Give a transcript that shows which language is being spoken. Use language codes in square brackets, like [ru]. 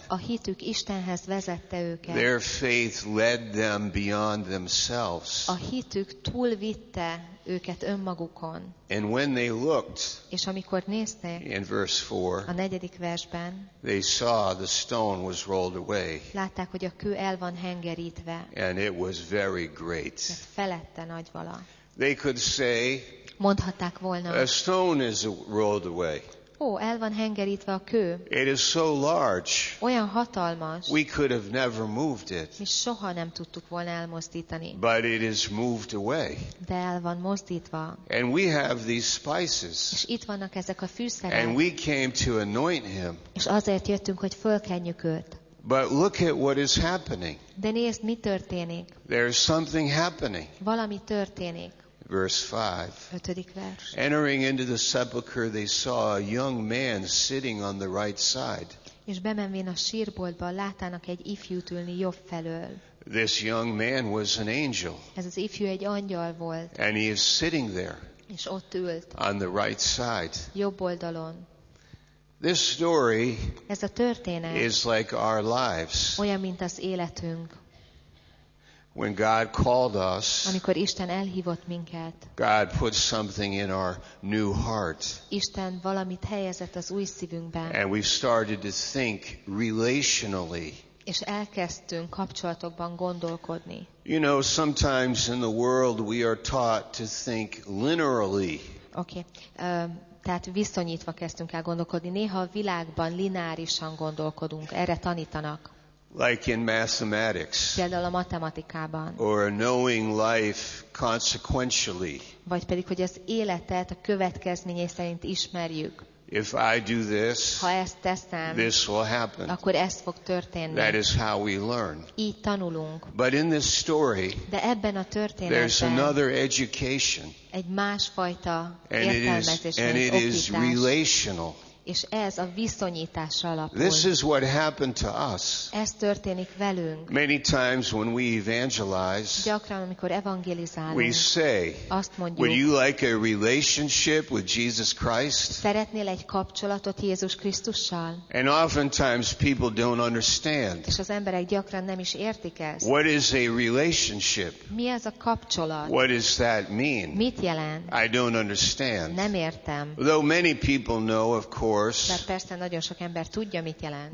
[hu] A hitük Istenhez vezette őket. [en] Their faith led them beyond themselves. [hu] A hitük túlvitte őket önmagukon. [en] And when they looked, [hu] és amikor néztek, [en] in verse 4, [hu] a negyedik versben, [en] they saw the stone was rolled away. [hu] Látták, hogy a kő el van hengerítve. [en] And it was very great. [hu] Felette nagy vala. [en] They could say, [hu] mondhatták volna, [en] a stone is rolled away. [hu] Ó, el van hengerítve a kő. [en] It is so large. [hu] Olyan hatalmas. [en] We could have never moved it. [hu] Mi soha nem tudtuk volna elmozdítani. [en] But it is moved away. [hu] De el van mozdítva. [en] And we have these spices. [hu] És itt vannak ezek a fűszerek. [en] And we came to anoint him. [hu] És azért jöttünk, hogy fölkenjük őt. [en] But look at what is happening. [hu] De nézd, mi történik. [en] There is something happening. [hu] Valami történik. [en] Verse 5. Entering into the sepulchre, they saw a young man sitting on the right side. [hu] És bemenvén a sírboltba, látának egy ifjút ülni jobb felől. [en] This young man was an angel. [hu] Ez az ifjú egy angyal volt. [en] And he is sitting there. [hu] És ott ült. [en] On the right side. [hu] Jobb oldalon. [en] This story, [hu] ez a történet, [en] is like our lives. [hu] Olyan, mint az életünk. [en] When God called us, [hu] amikor Isten elhívott minket, [en] God put something in our new heart. [hu] Isten valamit helyezett az új szívünkben. [en] And we started to think relationally. [hu] És elkezdtünk kapcsolatokban gondolkodni. [en] You know, sometimes in the world we are taught to think linearly. Okay. [hu] Tehát viszonyítva kezdtünk el gondolkodni. Néha a világban lineárisan gondolkodunk. Erre tanítanak. [en] Like in mathematics, [hu] például a matematikában, [en] or knowing life consequentially, [hu] vagy pedig hogy az életet a következményei szerint ismerjük. [en] If I do this, [hu] ha ezt teszem, [en] this will happen. [hu] Akkor ez fog történni. [en] That is how we learn. [hu] Így tanulunk. [en] But in this story, [hu] de ebben a történetben, [en] there's another education, [hu] egy másfajta értelmezés, [en] and it is relational. [hu] És ez a viszonyítás alapul. [en] This is what happened to us. [hu] Ez történik velünk. [en] Many times when we evangelize, [hu] gyakran, amikor evangelizálunk, [en] we say, [hu] azt mondjuk, [en] would you like a relationship with Jesus Christ? [hu] Szeretnél egy kapcsolatot Jézus Krisztussal? [en] And oftentimes people don't understand. [hu] És az emberek gyakran nem is értik ezt. [en] What is a relationship? [hu] Mi ez a kapcsolat? [en] What does that mean? [hu] Mit jelent? [en] I don't understand. [hu] Nem értem. [en] Though many people know, of course. [hu] Mert persze nagyon sok ember tudja, mit jelent.